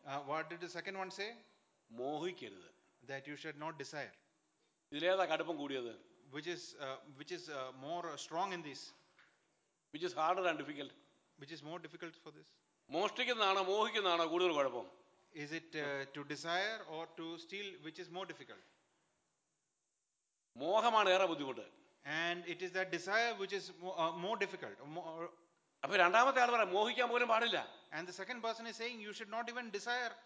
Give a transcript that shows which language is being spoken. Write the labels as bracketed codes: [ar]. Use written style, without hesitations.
[en] What did the second one say? [ml] മോഹിക്കരുത്. [en] That you should not desire. [ml] ഇതിലേതാ കടുപ്പം കൂടിയത്? [en] Which is more strong in this? Which is harder and difficult? Which is more difficult for this? [ml] മോഷ്ടിക്കുന്നതാണോ മോഹിക്കുന്നതാണോ കൂടുതൽ കുഴപ്പം? [en] Is it to desire or to steal which is more difficult? [ml] മോഹമാണ് ഏറെ ബുദ്ധിമുട്ട്. [en] And it is that desire which is more difficult. [ml] അപ്പോൾ രണ്ടാമത്തെ ആൾ പറയാ മോഹിക്കാൻ പോലും പാടില്ല. [en] And the second person is saying you should not even desire.